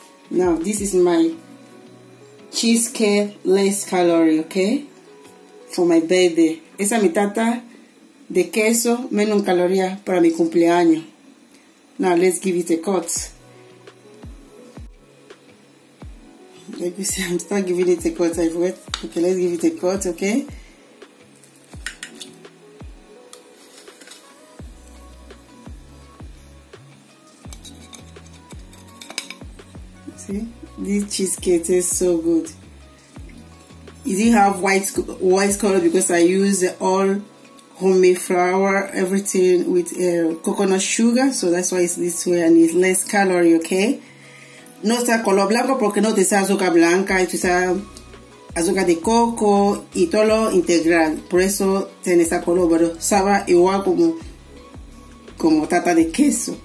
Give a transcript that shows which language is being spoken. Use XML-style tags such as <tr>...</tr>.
<en>Now, this is my cheesecake less calorie, ok? For my birthday.</en> <es>Esa es mi tarta de queso menos en caloría para mi cumpleaños.</es> <en>Now, let's give it a cut. Like you see, I'm still giving it a cut. I forgot. Okay, let's give it a cut, okay? See, this cheesecake tastes so good. It didn't have white color because I used all homemade flour, everything with coconut sugar, so that's why it's this way and it's less calorie, okay?</en> <es>No está color blanco porque no está azúcar blanca, está azúcar de coco y todo lo integral. Por eso tiene ese color, pero sabe igual como tarta de queso.</es>